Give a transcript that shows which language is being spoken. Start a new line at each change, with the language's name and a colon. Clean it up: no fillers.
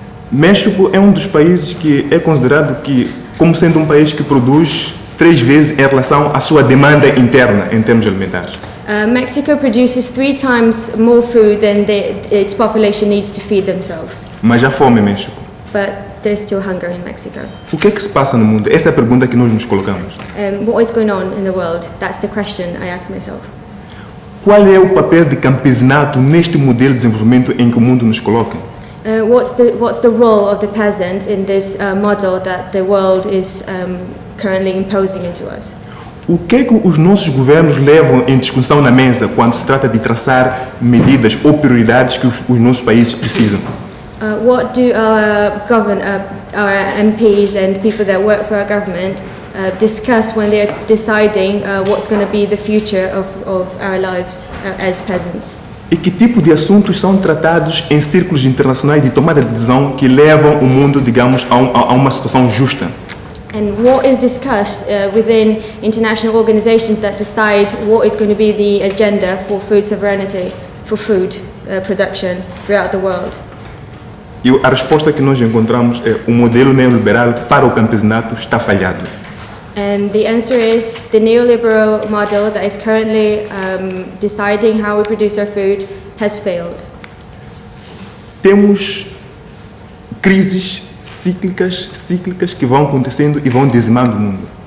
Portuguese: México é dos países que é considerado que como sendo país que produz três vezes em relação à sua demanda interna em termos alimentares.
English: Mexico produces three times more food than its population needs to feed themselves.
Portuguese: Mas há fome em México.
English: But there's still hunger in Mexico.
Portuguese: O que é que se passa no mundo? Essa é a pergunta que nós nos colocamos.
English: What is going on in the world? That's the question I ask myself.
Portuguese: Qual é o papel de campesinato neste modelo de desenvolvimento em que o mundo nos coloca?
English: What's the role of the peasant in this model that the world is currently imposing into us?
Portuguese: O que é que os nossos governos levam em discussão na mesa quando se trata de traçar medidas ou prioridades que os nossos países precisam?
English: What do our MPs and people that work for our government discuss when they are deciding what's going to be the future of our lives as peasants?
Portuguese: E que tipo de assuntos são tratados em círculos internacionais de tomada de decisão que levam o mundo, digamos, a uma situação justa?
English: And what is discussed within international organizations that decide what is going to be the agenda for food sovereignty, for food production throughout the world?
Portuguese: E a resposta que nós encontramos é o modelo neoliberal para o campesinato está falhado.
English: And the answer is the neoliberal model that is currently deciding how we produce our food has failed.
Portuguese: Temos crises cíclicas, cíclicas que vão acontecendo e vão dizimando o mundo.